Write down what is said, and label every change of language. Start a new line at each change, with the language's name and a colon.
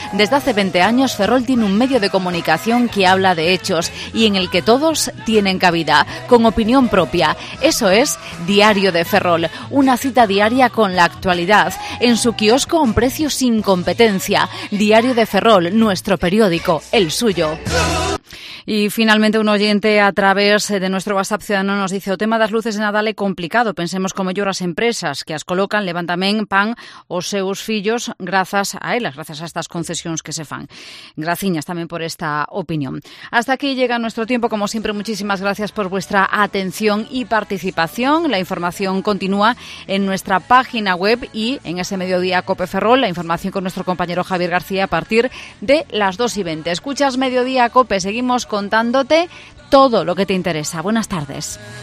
Spanish: Desde hace 20 años, Ferrol tiene un medio de comunicación que habla de hechos y en el que todos tienen cabida, con opinión propia. Eso es Diario de Ferrol, una cita diaria con la actualidad, en su kiosco a un precio sin competencia. Diario de Ferrol, nuestro periódico, el suyo. Y finalmente un oyente a través de nuestro WhatsApp ciudadano nos dice:
Galician: o tema das luces de Nadal é complicado, pensemos como ello as empresas que as colocan, levan tamén pan os seus fillos grazas a elas, grazas a estas concesións que se fan. Graciñas tamén por esta opinión.
Spanish: Hasta aquí llega nuestro tiempo, como siempre muchísimas gracias por vuestra atención y participación. La información continúa en nuestra página web y en ese mediodía Cope Ferrol, la información con nuestro compañero Javier García a partir de las 2:20. Escuchas Mediodía Cope, seguimos contándote todo lo que te interesa. Buenas tardes.